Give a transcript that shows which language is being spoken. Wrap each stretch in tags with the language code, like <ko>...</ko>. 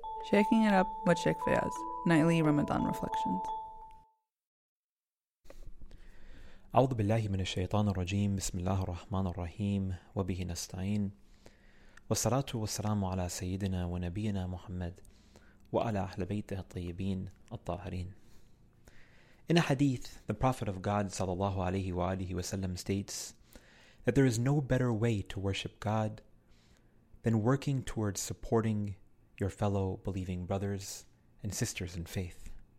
<en>Shaking it up with Sheikh Fayaz, nightly Ramadan reflections.</en> <ar>أعوذ بالله من الشيطان الرجيم بسم الله الرحمن الرحيم وبه نستعين والصلاة والسلام على سيدنا ونبينا محمد وعلى أهل بيته الطيبين الطاهرين.</ar> <en>In a hadith, the Prophet of God</en> <ar>صلى الله عليه وآله وسلم</ar> <en>states that there is no better way to worship God than working towards supporting your fellow believing brothers and sisters in faith.</en>